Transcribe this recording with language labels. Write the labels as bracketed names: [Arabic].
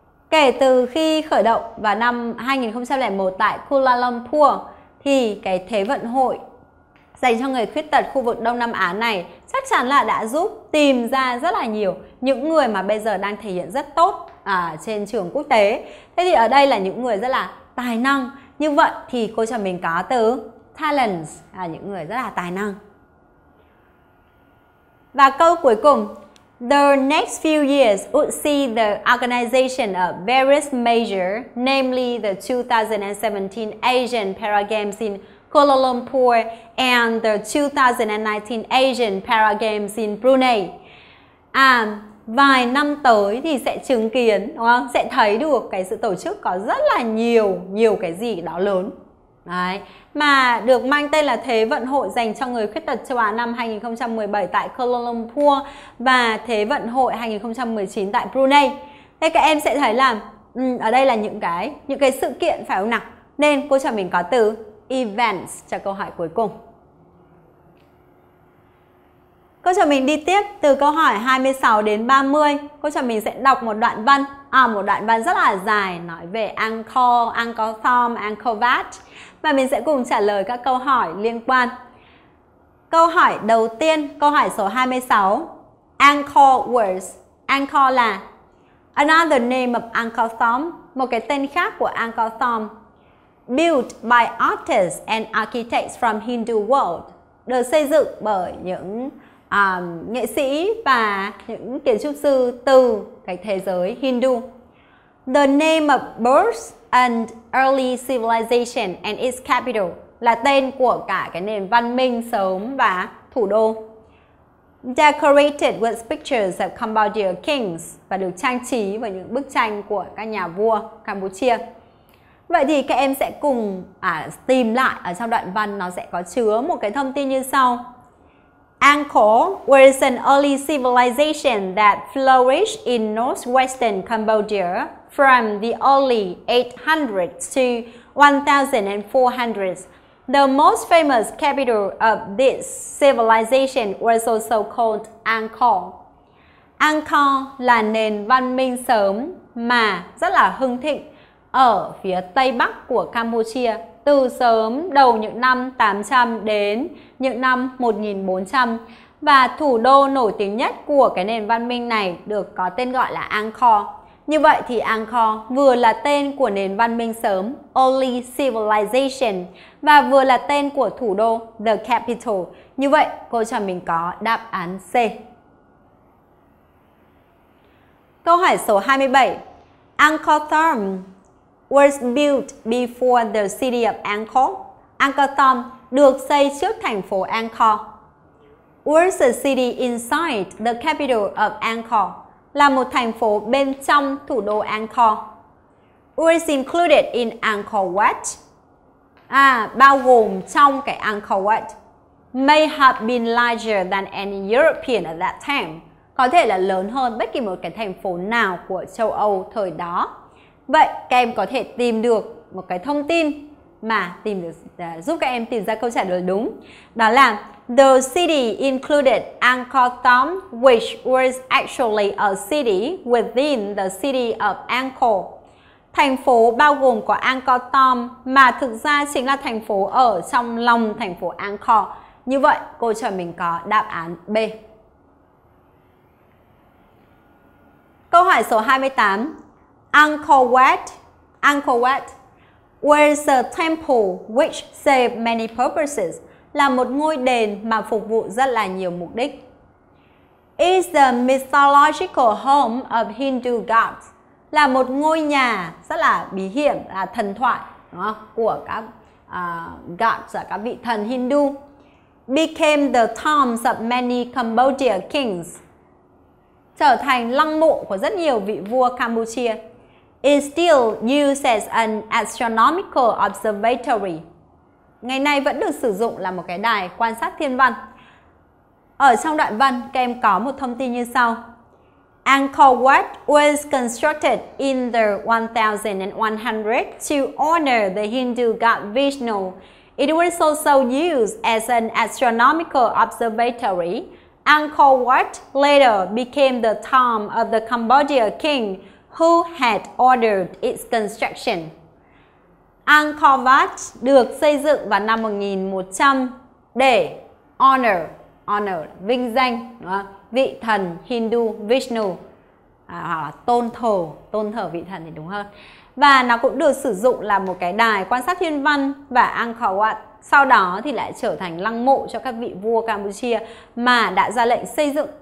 [Vietnamese] Kể từ khi khởi động vào năm 2001 tại Kuala Lumpur thì cái thế vận hội dành cho người khuyết tật khu vực Đông Nam Á này chắc chắn là đã giúp tìm ra rất là nhiều những người mà bây giờ đang thể hiện rất tốt trên trường quốc tế. Thế thì ở đây là những người rất là tài năng. Như vậy thì cô cho mình có từ talents, là những người rất là tài năng. Và câu cuối cùng, [English] the next few years would see the organization of various major, namely the 2017 Asian Para Games in Kuala Lumpur and the 2019 Asian Para Games in Brunei. [Vietnamese] Vài năm tới thì sẽ chứng kiến, đúng không? Sẽ thấy được cái sự tổ chức có rất là nhiều cái gì đó lớn. Đấy, mà được mang tên là Thế vận hội dành cho người khuyết tật châu Á năm 2017 tại Kuala Lumpur và Thế vận hội 2019 tại Brunei. Thế các em sẽ thấy là ở đây là những cái sự kiện phải không nào? Nên cô cho mình có từ events cho câu hỏi cuối cùng. Cô cho mình đi tiếp từ câu hỏi 26 đến 30. Cô cho mình sẽ đọc một đoạn văn rất là dài nói về Angkor, Angkor Thom, Angkor Wat. Và mình sẽ cùng trả lời các câu hỏi liên quan. Câu hỏi đầu tiên, câu hỏi số 26. Angkor Wat. Angkor là [English] another name of Angkor Thom, [Vietnamese] một cái tên khác của Angkor Thom. [English] Built by artists and architects from Hindu world. [Vietnamese] Được xây dựng bởi những nghệ sĩ và những kiến trúc sư từ cái thế giới Hindu. [English] The name of birth and early civilization and its capital [Vietnamese] là tên của cả cái nền văn minh sớm và thủ đô. [English] Decorated with pictures of Cambodian kings [Vietnamese] và được trang trí với những bức tranh của các nhà vua Campuchia. Vậy thì các em sẽ cùng tìm lại ở trong đoạn văn nó sẽ có chứa một cái thông tin như sau. [English] Angkor was an early civilization that flourished in northwestern Cambodia from the early 800s to 1400s. The most famous capital of this civilization was also called Angkor. [Vietnamese] Angkor là nền văn minh sớm mà rất là hưng thịnh ở phía tây bắc của Campuchia. Từ sớm đầu những năm 800 đến những năm 1400. Và thủ đô nổi tiếng nhất của cái nền văn minh này được có tên gọi là Angkor. Như vậy thì Angkor vừa là tên của nền văn minh sớm, [English] early civilization, [Vietnamese] và vừa là tên của thủ đô, [English] the capital. [Vietnamese] Như vậy cô cho mình có đáp án C. Câu hỏi số 27. [English] Angkor Thom was built before the city of Angkor. [Vietnamese] Angkor Thom được xây trước thành phố Angkor. [English] Was a city inside the capital of Angkor. [Vietnamese] Là một thành phố bên trong thủ đô Angkor. [English] Was included in Angkor Wat. [Vietnamese] À, bao gồm trong cái Angkor Wat. [English] May have been larger than any European at that time. [Vietnamese] Có thể là lớn hơn bất kỳ một cái thành phố nào của châu Âu thời đó. Vậy các em có thể tìm được một cái thông tin mà tìm được, giúp các em tìm ra câu trả lời đúng. Đó là [English] the city included Angkor Thom, which was actually a city within the city of Angkor. [Vietnamese] Thành phố bao gồm có Angkor Thom mà thực ra chính là thành phố ở trong lòng thành phố Angkor. Như vậy, cô cho mình có đáp án B. Câu hỏi số 28. [English] Angkor Wat was a temple which served many purposes. [Vietnamese] Là một ngôi đền mà phục vụ rất là nhiều mục đích. [English] Is the mythological home of Hindu gods. [Vietnamese] Là một ngôi nhà rất là bí hiểm, là thần thoại, đúng không? Của các gods, các vị thần Hindu. [English] Became the tombs of many Cambodia kings. [Vietnamese] Trở thành lăng mộ của rất nhiều vị vua Campuchia. [English] Is still used as an astronomical observatory. [Vietnamese] Ngày nay vẫn được sử dụng là một cái đài quan sát thiên văn. Ở trong đoạn văn, các em có một thông tin như sau. [English] Angkor Wat was constructed in the 1100 to honor the Hindu god Vishnu. It was also used as an astronomical observatory. Angkor Wat later became the tomb of the Cambodia king who had ordered its construction. [Vietnamese] Angkor Wat được xây dựng vào năm 1100 để honor vinh danh đúng không? Vị thần Hindu Vishnu, hoặc là tôn thờ vị thần thì đúng hơn. Và nó cũng được sử dụng là một cái đài quan sát thiên văn, và Angkor Wat sau đó thì lại trở thành lăng mộ cho các vị vua Campuchia mà đã ra lệnh xây dựng.